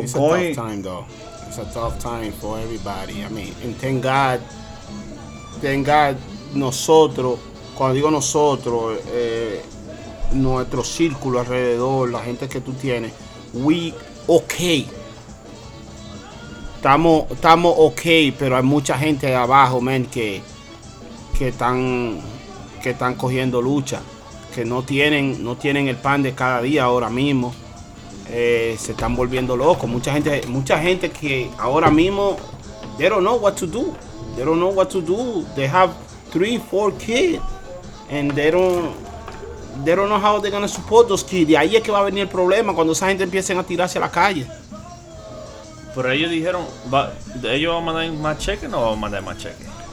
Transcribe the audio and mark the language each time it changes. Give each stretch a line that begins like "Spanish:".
English: it's going, a tough time, though. It's a tough time for everybody. I mean, and thank God,
Spanish: nosotros, cuando digo nosotros, nuestro círculo alrededor, la gente que tú tienes,
English: we okay.
Spanish: Estamos okay, pero hay mucha gente abajo, man, que están cogiendo lucha, que no tienen el pan de cada día ahora mismo. Se están volviendo locos. Mucha gente que ahora mismo,
English: they don't know what to do. They don't know what to do. They have 3-4 kids and they don't know how they're going to support those kids.
Spanish: De ahí es que va a venir el problema cuando esa gente empiecen a tirarse a la calle. Pero ellos dijeron, ¿ellos van a mandar más cheques o no van a mandar más cheques?